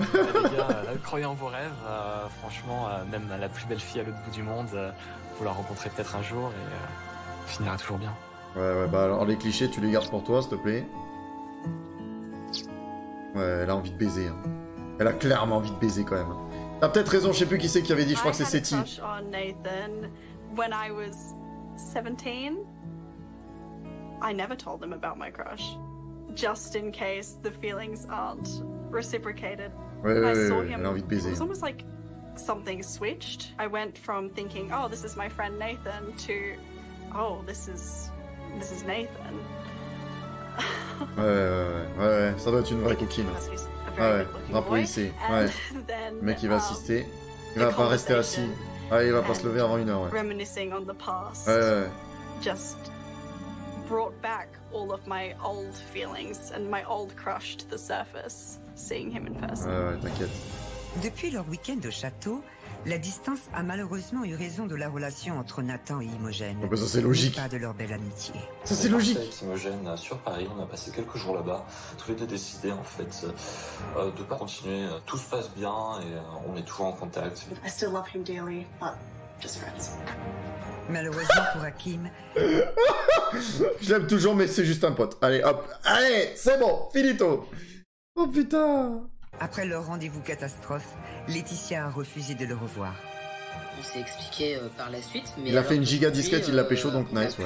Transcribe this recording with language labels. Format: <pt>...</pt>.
<fr>Les gars, croyez en vos rêves, franchement, même la plus belle fille à l'autre bout du monde, vous la rencontrez peut-être un jour et finira toujours bien. Ouais, ouais, bah alors les clichés, tu les gardes pour toi, s'il te plaît. Ouais, elle a envie de baiser. Hein. Elle a clairement envie de baiser quand même. T'as peut-être raison, je sais plus qui c'est qui avait dit, je crois que c'est Seti.</fr> <en>I had a crush on Nathan when I was 17. I never told them about my crush. Just in case the feelings aren't reciprocated.</en> <fr>Ouais, envie de baiser.</fr> <en>It was almost like something switched. I went from thinking, oh, this is my friend Nathan, to, oh, this is Nathan.</en> <fr>Ouais, ça doit être une vraie coquine. Ah ouais, drapeau hissé. Ouais. Le mec, il va assister. Il va pas rester assis. Ah, il va pas se lever avant une heure. Ouais.</fr> <en>Reminiscing on the past.</en> <fr>Ouais.</fr> <en>Just brought back all of my old feelings and my old crush to the surface, seeing him in person.</en> <fr>Ouais, t'inquiète. Depuis leur week-end au château, la distance a malheureusement eu raison de la relation entre Nathan et Imogen. Oh, ça c'est logique. Pas de leur belle amitié. Ça c'est logique. Avec Imogen sur Paris, on a passé quelques jours là-bas. Tous les deux décidés en fait de pas continuer. Tout se passe bien et on est toujours en contact.</fr> <en>I still love him dearly, but just friends.</en> <fr>Malheureusement pour Hakim. Je l'aime toujours, mais c'est juste un pote. Allez, hop, allez, c'est bon, finito. Oh putain. Après leur rendez-vous catastrophe, Laetitia a refusé de le revoir. On s'est expliqué par la suite, mais... Il a fait une giga disquette, il l'a pécho, donc nice, ouais.</fr>